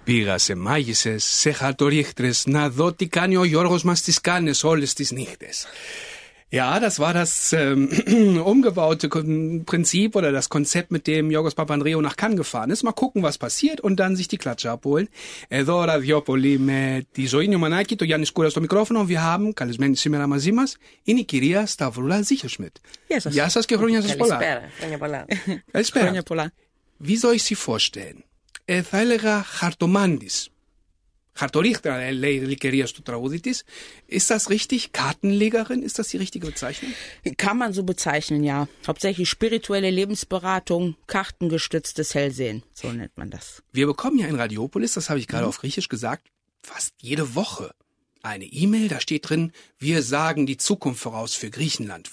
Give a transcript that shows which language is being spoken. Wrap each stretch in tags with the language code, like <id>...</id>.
<el>Πήγα σε μάγισσες, σε χαρτορίχτρες, να δω τι κάνει ο Γιώργος μας τις κάνες όλες τις νύχτες.</el> <de>Ja, das war das umgebaute Prinzip oder das Konzept, mit dem Yorgos Papandreou nach Cannes gefahren ist. Mal gucken, was passiert und dann sich die Klatsche abholen.</de> <el>Εδώ Ραδιόπολη με τη Ζωή Νιουμανάκη, το Γιάννη Σκούρα στο μικρόφωνο.</el> <de>Wir haben,</de> <el>καλεσμένη σήμερα μαζί μας, είναι η κυρία Σταυρούλα Ζίχερσμιτ. Γεια σας. Γεια σας και χρόνια σας πολλά. Καλησπέρα. Χρόνια πολλά. Καλησπέρα. Χρόνια πολλά.</el> <de>Wie soll ich Sie vorstellen?</de> <el>Θα έλεγα χαρτομάντης. Χαρτορίχτρα, λέει η λικερία στο τραγούδι της.</el> <de>Ist das richtig? Kartenlegerin? Ist das die richtige Bezeichnung? Kann man so bezeichnen, ja. Hauptsächlich spirituelle Lebensberatung, kartengestütztes Hellsehen. So nennt man das. Wir bekommen ja in Radiopolis, das habe ich gerade auf Griechisch gesagt, fast jede Woche eine E-Mail. Da steht drin, wir sagen die Zukunft voraus für Griechenland.</de>